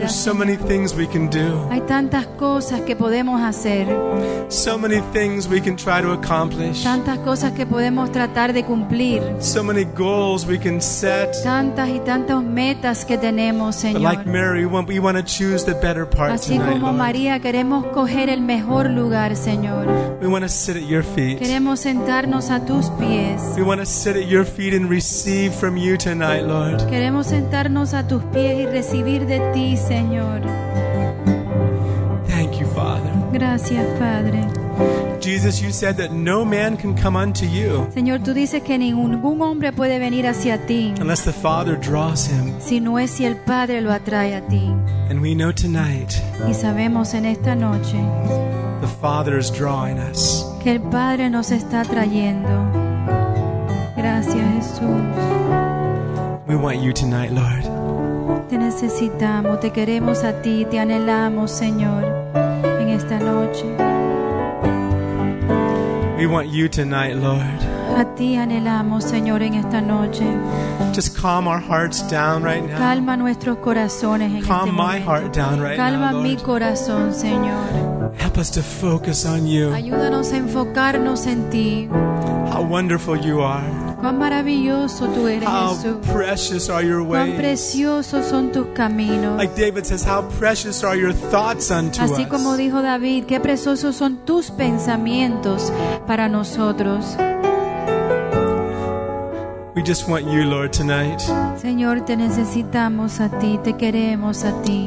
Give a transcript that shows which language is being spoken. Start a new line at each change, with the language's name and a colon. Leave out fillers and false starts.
English: There's so many things we can do.
Spanish: Hay tantas cosas que podemos hacer.
English: So many things we can try to accomplish.
Spanish: Tantas cosas que podemos tratar de cumplir.
English: So many goals we can set.
Spanish: Tantas y tantas metas que tenemos, Señor.
English: But like Mary, we want to choose the better part tonight, Lord.
Spanish: Así como María, queremos coger el mejor lugar, Señor.
English: We want to sit at your feet.
Spanish: Queremos sentarnos a tus pies.
English: We want to sit at your feet and receive from you tonight, Lord.
Spanish: Queremos sentarnos a tus pies y recibir de ti, Señor.
English: Thank you, Father.
Spanish: Gracias, Padre.
English: Jesus, you said that no man can come unto you.
Spanish: Señor, tú dices que ningún hombre puede venir hacia ti.
English: Unless the Father draws him.
Spanish: Si no es si el Padre lo atrae a ti.
English: And we know tonight.
Spanish: Y sabemos en esta noche.
English: The Father is drawing us.
Spanish: Que el Padre nos está trayendo. Gracias, Jesús.
English: We want you tonight, Lord.
Spanish: Te necesitamos, te queremos a ti, te anhelamos, Señor, en esta noche.
English: We want you tonight, Lord.
Spanish: A ti anhelamos, Señor, en esta noche.
English: Just calm our hearts down right now.
Spanish: Calma nuestros corazones en este momento.
English: Calm my heart down right
Spanish: calma
English: now, Lord.
Spanish: Calma mi corazón, Señor.
English: Help us to focus on you.
Spanish: Ayúdanos a enfocarnos en ti.
English: How wonderful you are.
Spanish: Cuán maravilloso tú eres,
English: how
Spanish: Jesús.
English: Precious are your ways.
Spanish: Cuán preciosos son tus caminos.
English: Like David says, how precious are your thoughts unto
Spanish: así como
English: us.
Spanish: Dijo David, qué preciosos son tus pensamientos para nosotros.
English: We just want you, Lord, tonight.
Spanish: Señor, te necesitamos a ti, te queremos a ti.